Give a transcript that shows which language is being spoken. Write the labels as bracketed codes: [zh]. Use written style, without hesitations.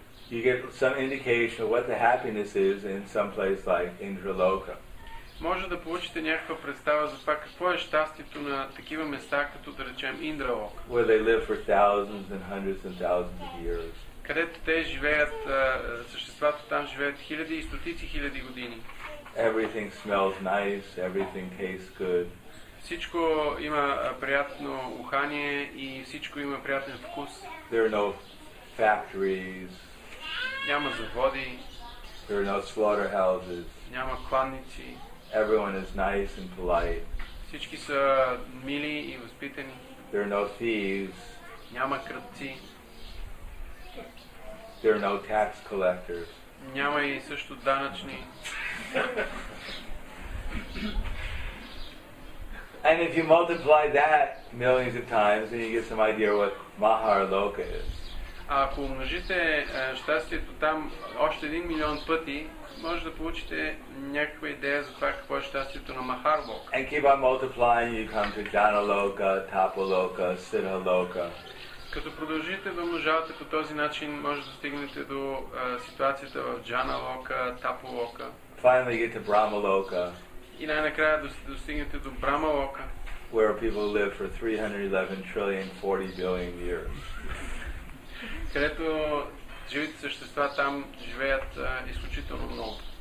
[en] you get some indication of what the happiness is in some place like Indraloka. [bg] Може да получите някаква представа за това какво е щастието на такива места като да речем Индралока. [en] Where they live for thousands and hundreds and thousands of years. [bg] Където те живеят, съществата там живеят хиляди и стотици хиляди години. [en] Everything smells nice, everything tastes good. [bg] Всичко има приятно ухание и всичко има приятен вкус. [en] There are no factories. [bg] Няма заводи. [en] There are no slaughterhouses. [bg] Няма кланици. [en] Everyone is nice and polite. [bg] Всички са мили и възпитани. [en] There are no thieves. [bg] Няма крадци. [en] There are no tax collectors. [bg] Няма и също данъчни. [en] And if you multiply that millions of times, then you get some idea what Maharloka is. [bg] А ако умножите щастието там още един милион пъти, може да получите някаква идея за това какво е щастието на Махарлока. [en] And keep on multiplying, you come to Janaloka, Tapaloka, Siddhaloka. [bg] Като продължите да умножавате по този начин, може да стигнете до ситуацията в Джаналока, Тапалока. [en] Finally get to Брамалока. [bg] И най-накрая достигнете до Брамалока. [en] Where people live for 311 trillion 40 billion years. [bg] Където живите същества там живеят изключително много.